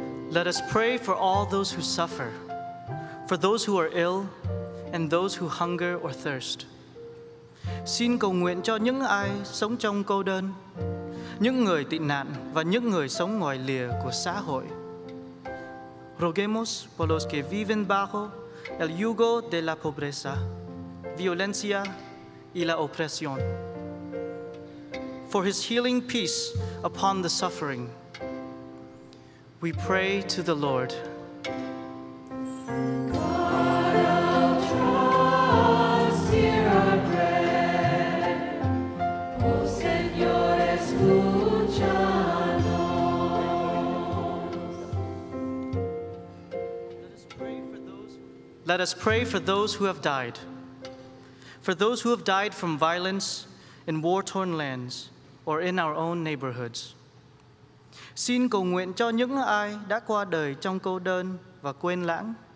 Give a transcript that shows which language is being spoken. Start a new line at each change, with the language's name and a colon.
English: Let us pray for all those who suffer, for those who are ill, and those who hunger or thirst.
Vietnamese: Xin cầu nguyện cho những ai sống trong cô đơn, những người tị nạn và những người sống ngoài lìa của xã hội.
Spanish: Roguemos por los que viven bajo el yugo de la pobreza, violencia y la opresión.
English: For his healing peace upon the suffering, we pray to the Lord. God of trust, hear our prayer.
Spanish: O Señor, escúchanos.
English: Let us pray for those who have died. For those who have died from violence in war-torn lands or in our own neighborhoods.
Vietnamese: Xin cầu nguyện cho những ai đã qua đời trong cô đơn và quên lãng.